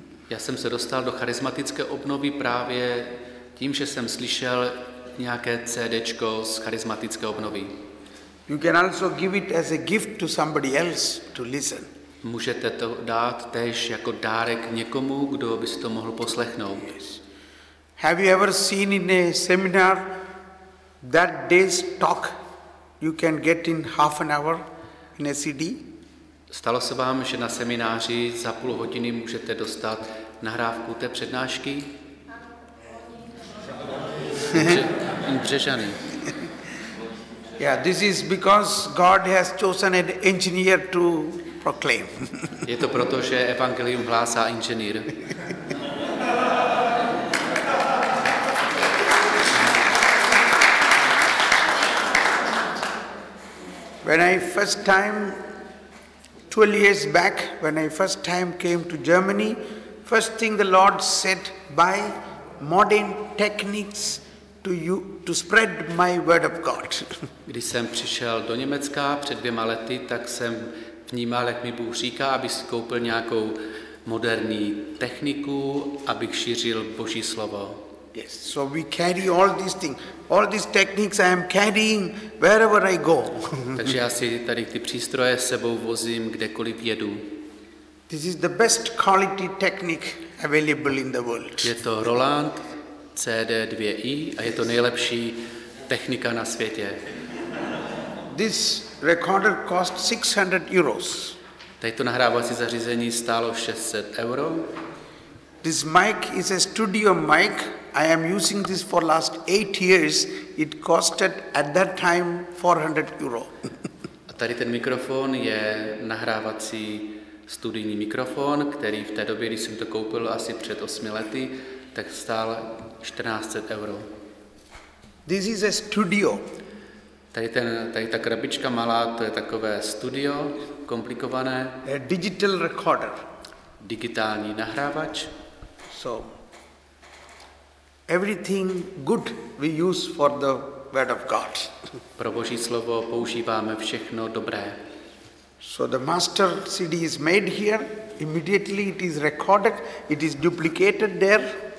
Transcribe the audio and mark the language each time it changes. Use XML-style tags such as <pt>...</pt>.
<cs>Já jsem se dostal do charismatické obnovy právě tím, že jsem slyšel nějaké CDčko z charismatické obnovy.</cs> <en>You can also give it as a gift to somebody else to listen.</en> <cs>Můžete to dát též jako dárek někomu, kdo by si to mohl poslechnout.</cs> <en>Yes. Have you ever seen in a seminar that day's talk you can get in half an hour in a CD?</en> <cs>Stalo se vám, že na semináři za půl hodiny můžete dostat nahrávku té přednášky? Břežany.</cs> <en>Yeah, this is because God has chosen an engineer to proclaim.</en> <cs>Je to proto, že evangelium hlásá inženýr.</cs> <en>When I first time 12 years back, when I first time came to Germany, first thing the Lord said, by modern techniques to spread my word of God.</en> <cs>Když jsem přišel do Německa před dvěma lety, tak jsem vnímal, jak mi Bůh říká, abych si koupil nějakou moderní techniku, abych šířil Boží slovo.</cs> <en>Yes, so we carry all these things. All these techniques I am carrying wherever I go.</en> <cs>Takže já si tady ty přístroje s sebou vozím, kdekoliv jedu.</cs> <en>This is the best quality technique available in the world.</en> <cs>Je to Roland CD2i a je to nejlepší technika na světě.</cs> <en>This recorder cost 600 euros.</en> <cs>Tato nahrávací zařízení stálo 600 euro.</cs> <en>This mic is a studio mic. I am using this for last 8 years. It costed at that time 400 euro.</en> <cs>A tady ten mikrofon je nahrávací studijní mikrofon, který v té době, když jsem to koupil asi před 8 lety, tak stál 1400 euro.</cs> <en>This is a studio.</en> <cs>Tady ta krabička malá, to je takové studio, komplikované.</cs> <en>A digital recorder.</en> <cs>Digitální nahrávač.</cs> <en>So, everything good we use for the word of God.</en> <cs>Pro Boží slovo používáme všechno dobré.</cs> <en>So the master CD is made here, immediately it is recorded, it is duplicated there.</en>